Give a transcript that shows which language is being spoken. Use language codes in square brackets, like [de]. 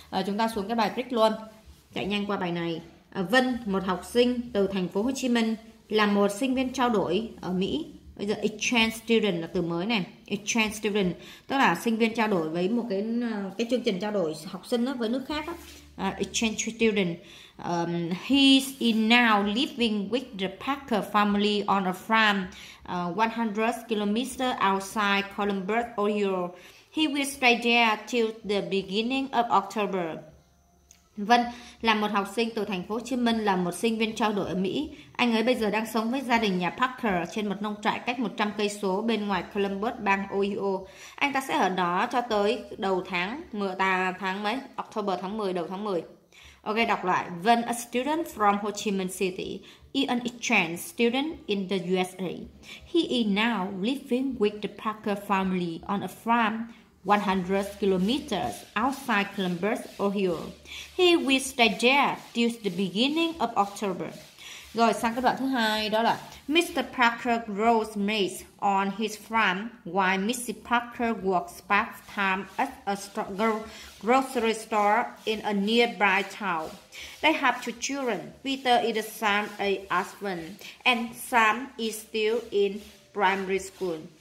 [vi] Chúng ta xuống cái bài trích luôn. Chạy nhanh qua bài này. Vân, một học sinh từ thành phố Hồ Chí Minh, là một sinh viên trao đổi ở Mỹ. Bây giờ exchange student là từ mới này, exchange student tức là sinh viên trao đổi với một cái chương trình trao đổi học sinh đó với nước khác đó. Exchange student. [en] He is now living with the Parker family on a farm 100 km outside Columbus, Ohio. He will stay there till the beginning of October. [vi] Vân là một học sinh từ thành phố Hồ Chí Minh, là một sinh viên trao đổi ở Mỹ. Anh ấy bây giờ đang sống với gia đình nhà Parker trên một nông trại cách 100 cây số bên ngoài Columbus, bang Ohio. Anh ta sẽ ở đó cho tới đầu tháng 10, tháng mấy? October tháng 10, đầu tháng 10. [en] Ok, [vi] đọc lại. [en] Vân, a student from Ho Chi Minh City, is an exchange student in the USA. He is now living with the Parker family on a farm 100 km outside Columbus, Ohio. He will stay there till the beginning of October. [vi] Rồi sang cái đoạn thứ hai đó là Mr. [en] Parker grows maize on his farm while Mrs. Parker works part-time at a grocery store in a nearby town. They have two children. Peter is a son, a husband, and Sam is still in primary school.